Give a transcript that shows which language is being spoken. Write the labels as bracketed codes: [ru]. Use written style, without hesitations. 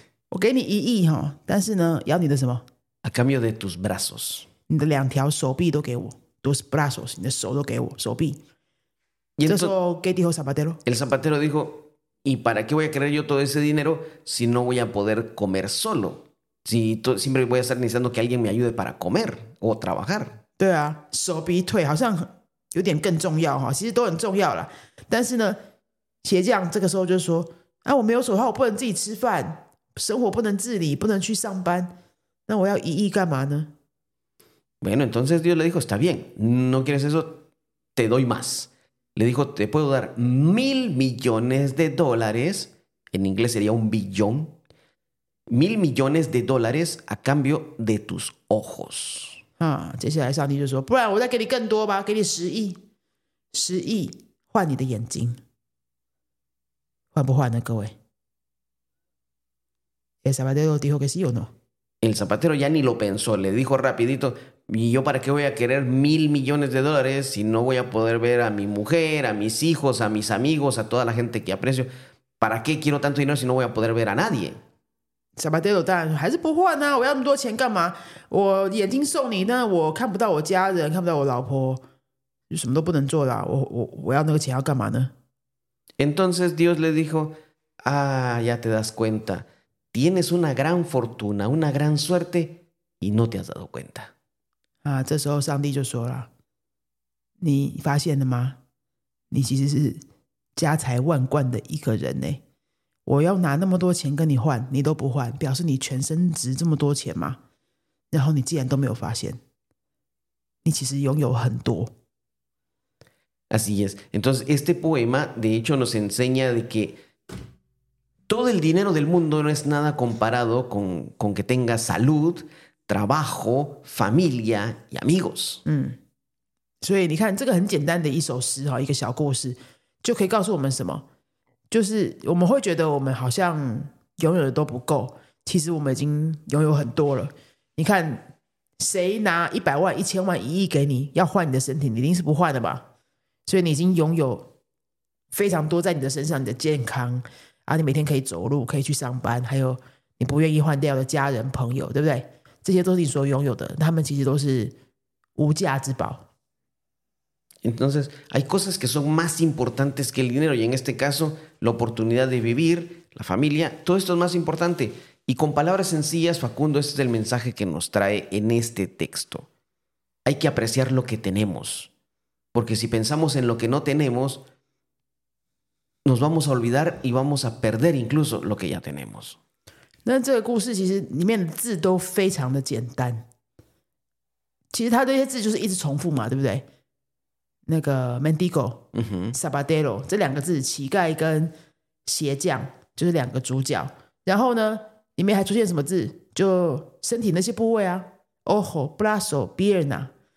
[zh] 我给你一亿、哦、但是呢要你的什么 [es] ?A cambio de tus brazos. [zh] 你的两条手臂都给我。 [es] Tus brazos, [zh] 你的手都给我手臂。 [es] Y entonces, [zh] 这时候 [es] ,¿qué dijo Zapatero? El Zapatero dijo, ¿y para qué voy a querer yo todo ese dinero si no voy a poder comer solo? Si siempre voy a estar necesitando que alguien me ayude para comer o trabajar. [zh] 对啊手臂腿好像有点更重要、哦、其实都很重要啦。但是呢鞋匠这个时候就说、啊、我没有手的话我不能自己吃饭生活不能自理不能去上班那我要一亿干嘛呢 [es] Bueno, entonces Dios le dijo, está bien, no quieres eso, te doy más. Le dijo, te puedo dar 1,000 millones de dólares, en inglés sería 1 billón, 1,000 millones de dólares a cambio de tus ojos.、 [zh] 啊、接下来上帝就说不然我再给你更多吧给你10亿换你的眼睛。换不换呢各位 [es] ¿El zapatero dijo que sí o no? El zapatero ya ni lo pensó, le dijo rapidito, ¿y yo para qué voy a querer 1,000 millones de dólares si no voy a poder ver a mi mujer, a mis hijos, a mis amigos, a toda la gente que aprecio? ¿Para qué quiero tanto dinero si no voy a poder ver a nadie? Zapatero dijo, [zh] 还是不换啊我要那么多钱干嘛我眼睛送你那我看不到我家人看不到我老婆就什么都不能做啦 我要那个钱要干嘛呢 [es] Entonces Dios le dijo, ah, ya te das cuenta, tienes una gran fortuna, una gran suerte, y no te has dado cuenta. [zh] Ah, 这时候上帝就说了，你发现了吗？你其实是家财万贯的一个人呢。我要拿那么多钱跟你换，你都不换，表示你全身值这么多钱吗？然后你竟然都没有发现，你其实拥有很多。 [es] Así es. Entonces, este poema, de hecho, nos enseña de que todo el dinero del mundo no es nada comparado con que tenga salud, trabajo, familia y amigos. [zh] 嗯，所以你看，这个很简单的一首诗哈，一个小故事，就可以告诉我们什么？就是我们会觉得我们好像拥有的都不够，其实我们已经拥有很多了。你看，谁拿100万、1000万、1亿给你，要换你的身体，你一定是不换的吧？所以你已经拥有非常多在你的身上你的健康啊，你每天可以走路可以去上班还有你不愿意换掉的家人朋友对不对这些都是你所拥有的他们其实都是无价之宝 [es] Entonces hay cosas que son más importantes que el dinero y en este caso la oportunidad de vivir la familia todo esto es más importante y con palabras sencillas Facundo este es el mensaje que nos trae en este texto hay que apreciar lo que tenemos Porque si pensamos en lo que no tenemos, nos vamos a olvidar y vamos a perder incluso lo que ya tenemos. [zh] 那这个故事其实里面的字都非常的简单。其实他这些字就是一直重复嘛，对不对？那个 mendigo、sabadero 这两个字，乞丐跟鞋匠就是两个主角。然后呢，里面还出现什么字？就身体那些部位啊 ，ojo、brazo、pierna。